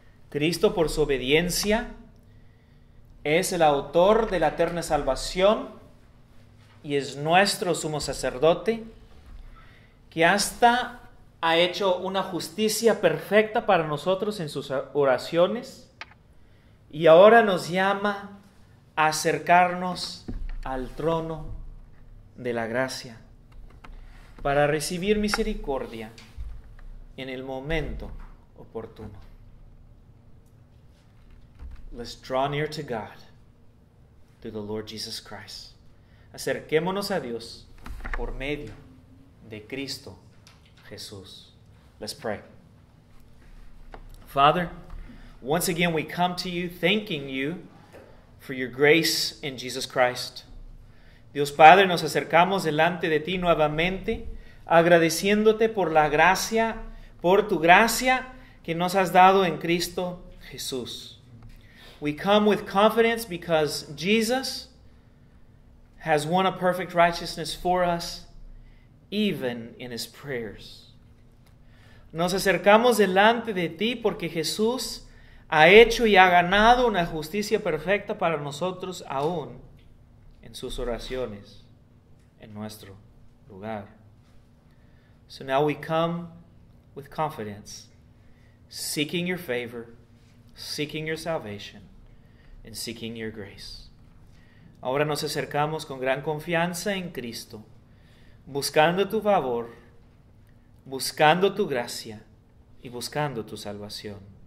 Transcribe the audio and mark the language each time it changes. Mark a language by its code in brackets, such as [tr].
[es] Cristo, por su obediencia, es el autor de la eterna salvación y es nuestro sumo sacerdote, que hasta ha hecho una justicia perfecta para nosotros en sus oraciones y ahora nos llama a acercarnos al trono de la gracia para recibir misericordia en el momento oportuno. [en] Let's draw near to God through the Lord Jesus Christ. [es] Acerquémonos a Dios por medio de Cristo Jesús. [en] Let's pray. Father, once again we come to you thanking you for your grace in Jesus Christ. [es] Dios Padre, nos acercamos delante de ti nuevamente agradeciéndote por la gracia, por tu gracia que nos has dado en Cristo Jesús. [en] We come with confidence because Jesus has won a perfect righteousness for us, even in his prayers. [es] Nos acercamos delante de ti porque Jesús ha hecho y ha ganado una justicia perfecta para nosotros aún en sus oraciones, en nuestro lugar. [en] So now we come with confidence, seeking your favor, seeking your salvation, and seeking your grace. [es] Ahora nos acercamos con gran confianza en Cristo, buscando tu favor, buscando tu gracia, y buscando tu salvación.